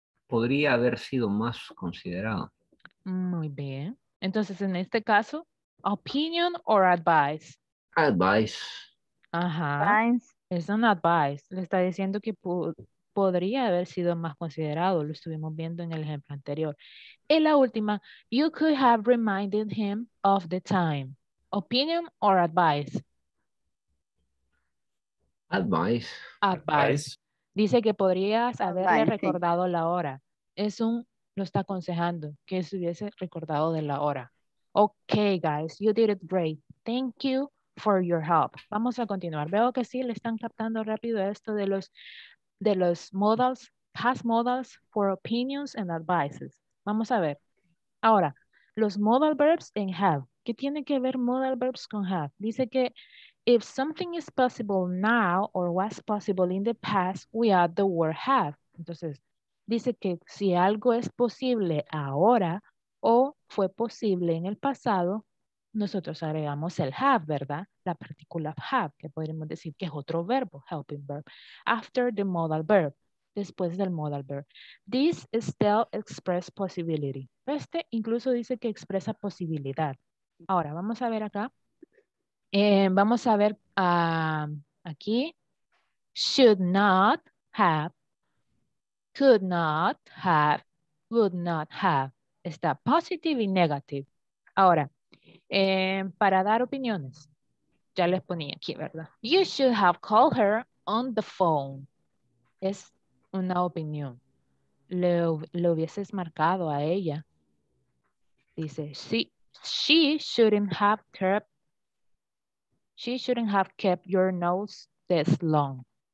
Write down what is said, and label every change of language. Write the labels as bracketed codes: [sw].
[es] Podría haber sido más considerado. Muy bien. Entonces, en este caso, [en] opinion or advice? Advice. [es] Ajá. Es un advice. Le está diciendo que podría haber sido más considerado. Lo estuvimos viendo en el ejemplo anterior. Y la última, [en] you could have reminded him of the time. Opinion or advice? Advice. [es] Dice que podrías haberle recordado la hora. Es un, lo está aconsejando, que se hubiese recordado de la hora. [en] Okay, guys, you did it great. Thank you for your help. [es] Vamos a continuar. Veo que sí, le están captando rápido esto de los modals, [en] past modals for opinions and advices. [es] Vamos a ver. Ahora, los modal verbs en have. ¿Qué tiene que ver modal verbs con have? Dice que [en] if something is possible now or was possible in the past, we add the word have. [es] Entonces, dice que si algo es posible ahora o fue posible en el pasado, nosotros agregamos el have, ¿verdad? La partícula have, que podríamos decir que es otro verbo, helping verb, after the modal verb, después del modal verb. [en] This still expresses possibility. [es] Este incluso dice que expresa posibilidad. Ahora, vamos a ver acá. Vamos a ver aquí. [en] Should not have, could not have, would not have. [es] Está positive y negative. Ahora, para dar opiniones, ya les ponía aquí, ¿verdad? [en] You should have called her on the phone. [es] Es una opinión. Le hubieses marcado a ella. Dice, [en] she shouldn't have kept. She shouldn't have kept your nose this long.